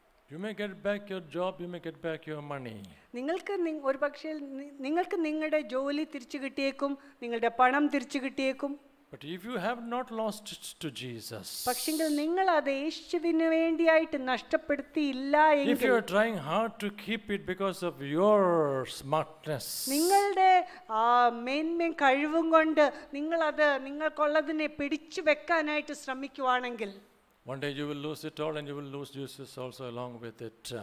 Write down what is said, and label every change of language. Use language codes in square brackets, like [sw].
[en] You may get back your job, you may get back your money. [ml] നിങ്ങൾക്ക് ഒരുപക്ഷേ നിങ്ങൾക്ക് നിങ്ങളുടെ ജോലി തിരിച്ചു കിട്ടിയേക്കും, നിങ്ങളുടെ പണം തിരിച്ചു കിട്ടിയേക്കും. [en] But if you have not lost it to Jesus, [ml] പക്ഷേ നിങ്ങൾ അത് യേശുവിനു വേണ്ടിയായിട്ട് നഷ്ടപ്പെടുത്തിയില്ല എങ്കിൽ, [en] if you are trying hard to keep it because of your smartness, [ml] നിങ്ങളുടെ മേന്മയും കഴിവും കൊണ്ട് നിങ്ങൾ അത് നിങ്ങൾക്കുള്ളതിനെ പിടിച്ചു വെക്കാനായിട്ട് ശ്രമിക്കുകയാണെങ്കിൽ, [en] one day you will lose it all and you will lose Jesus also along with it.